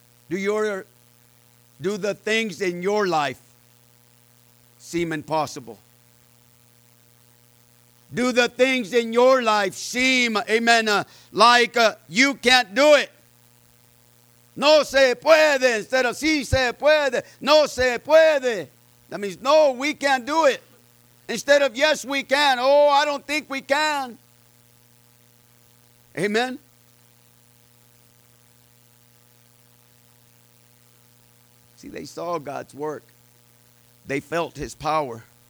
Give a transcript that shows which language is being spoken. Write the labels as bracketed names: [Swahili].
[English] Do the things in your life seem impossible? Do the things in your life seem, amen, you can't do it? [Spanish] No se puede, [English] instead of [Spanish] si se puede, no se puede. [English] That means no, we can't do it. Instead of yes, we can. Oh, I don't think we can. Amen. See, they saw God's work. They felt his power.